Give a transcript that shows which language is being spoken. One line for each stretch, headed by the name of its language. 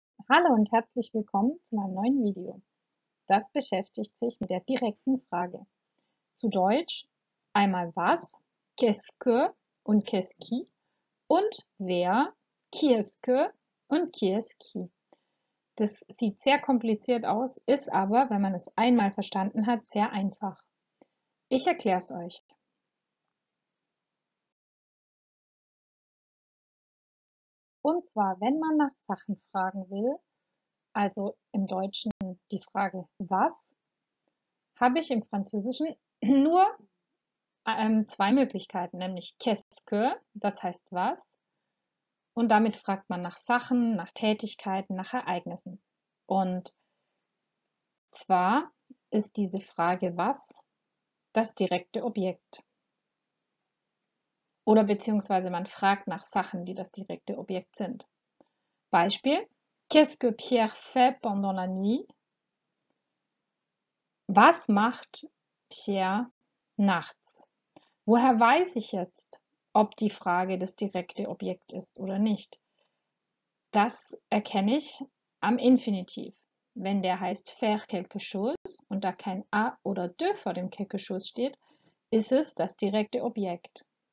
German: Hallo und herzlich willkommen zu meinem neuen Video. Das beschäftigt sich mit der direkten Frage. Zu Deutsch einmal was,
French: qu'est-ce que
German: und
French: qu'est-ce qui
German: und wer,
French: qui est-ce que
German: und
French: qui est-ce qui.
German: Das sieht sehr kompliziert aus, ist aber, wenn man es einmal verstanden hat, sehr einfach. Ich erkläre es euch. Und zwar, wenn man nach Sachen fragen will, also im Deutschen die Frage was, habe ich im Französischen nur zwei Möglichkeiten, nämlich
French: qu'est-ce que,
German: das heißt was, und damit fragt man nach Sachen, nach Tätigkeiten, nach Ereignissen. Und zwar ist diese Frage was das direkte Objekt. Oder beziehungsweise man fragt nach Sachen, die das direkte Objekt sind.
French: Beispiel: Qu'est-ce que Pierre fait pendant la nuit?
German: Was macht Pierre nachts? Woher weiß ich jetzt, ob die Frage das direkte Objekt ist oder nicht? Das erkenne ich am Infinitiv. Wenn der heißt
French: faire quelque chose
German: und da kein a oder de vor dem quelque chose steht, ist es das direkte Objekt.